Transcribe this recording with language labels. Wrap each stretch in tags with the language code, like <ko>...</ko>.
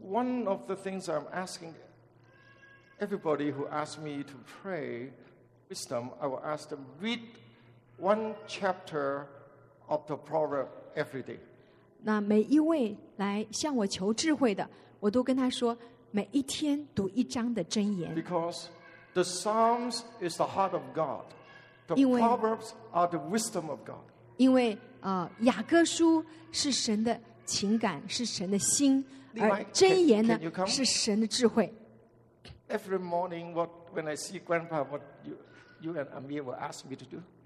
<en>One of the things I'm asking everybody who asks me to pray wisdom, I will ask them read one chapter of the proverb every day.</en> <zh>那每一位来向我求智慧的。我都跟他说，每一天读一章的箴言。</zh> <en>Because the Psalms is the heart of God, the Proverbs are the wisdom of God.</en> <zh>因为雅各书是神的情感，是神的心，而箴言呢是神的智慧。</zh> <en>Every morning, when I see Grandpa, what you and Amir will ask me to do?</en>